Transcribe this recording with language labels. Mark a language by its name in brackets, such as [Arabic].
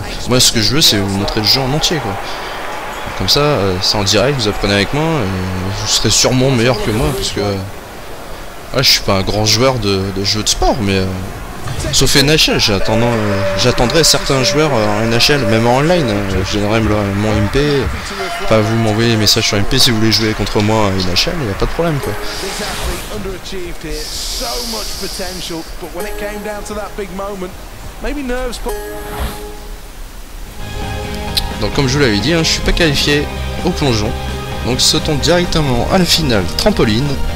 [French] Moi ce que je veux c'est vous montrer le jeu en entier, quoi. Comme ça, c'est en direct, vous apprenez avec moi, vous serez sûrement meilleur que moi, parce que je suis pas un grand joueur de jeux de sport, mais sauf NHL, j'attendrai certains joueurs en NHL, même en online, je donnerai mon MP, enfin vous m'envoyez des messages sur MP si vous voulez jouer contre moi en NHL, il n'y a pas de problème, quoi. [English] This athlete underachieved here, so much potential, but when it came down to that big moment, maybe nerves. [French] Donc comme je vous l'avais dit, hein, je suis pas qualifié au plongeon, donc sautons directement à la finale trampoline.